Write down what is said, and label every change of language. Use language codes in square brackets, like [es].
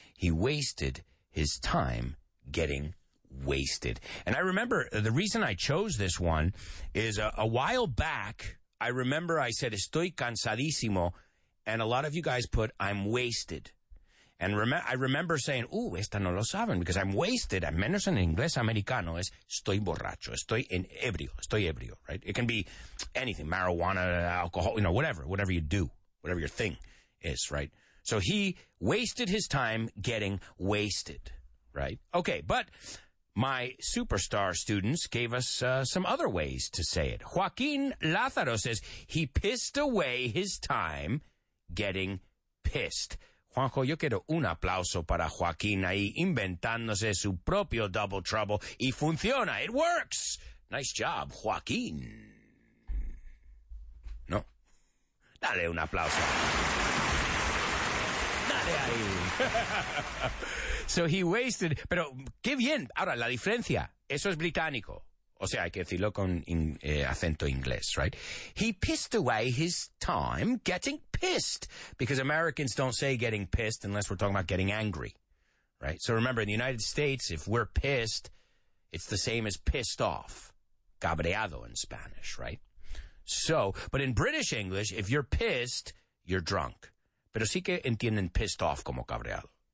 [en] He wasted his time getting wasted. And I remember the reason I chose this one is a while back, I remember I said, [es] estoy cansadísimo, [en] and a lot of you guys put, I'm wasted. And I remember saying, ooh, [es] esta no lo saben, [en] because I'm wasted. [es] At menos en inglés americano es estoy borracho, estoy ebrio, right? [en] It can be anything, marijuana, alcohol, you know, whatever you do, whatever your thing is, right? So he wasted his time getting wasted, right? Okay, but my superstar students gave us some other ways to say it. Joaquin Lázaro says he pissed away his time getting pissed. [es] Juanjo, yo quiero un aplauso para Joaquín ahí inventándose su propio double trouble. Y funciona. [en] It works. Nice job, Joaquín. [es] No. Dale un aplauso. Dale ahí. [en] So he wasted. [es] Pero qué bien. Ahora, la diferencia. Eso es británico. O sea, hay que decirlo con acento inglés, right? [en] He pissed away his time getting pissed. Because Americans don't say getting pissed unless we're talking about getting angry, right? So remember, in the United States, if we're pissed, it's the same as pissed off. Cabreado in Spanish, right? So, but in British English, if you're pissed, you're drunk. [es] Pero sí que entienden pissed off como cabreado.